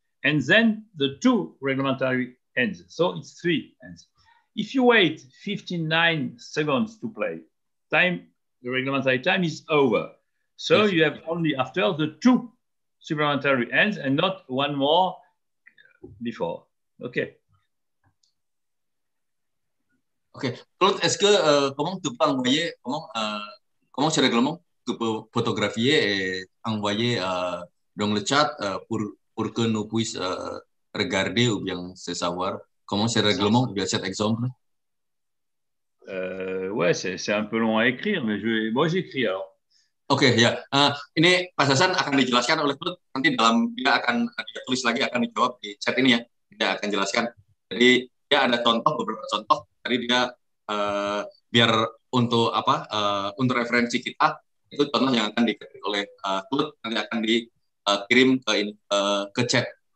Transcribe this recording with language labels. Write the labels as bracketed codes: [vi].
[en] And then the 2 reglementary ends. So it's 3 ends. If you wait 59 seconds to play, the reglementary time is over. So yes. You have only after the 2 supplementary ends and not one more before. Okay. Okay. [fr] Claude, est-ce que, comment tu peux envoyer, comment ce règlement? Tu peux photographier et envoyer dans le chat pour que nous puissions regarder ou bien savoir comment c'est réglé, ou bien cet exemple. Ouais, c'est un peu long à écrire, mais j'écris alors. [id] Okay, ya. Ini Pak Hasan akan dijelaskan oleh Klut nanti dalam dia akan dia tulis lagi akan dijawab di chat ini ya. Dia akan jelaskan. Jadi dia ada contoh beberapa contoh. Jadi dia biar untuk apa untuk referensi kita itu contoh yang akan diketik oleh Klut nanti akan dikirim ke chat.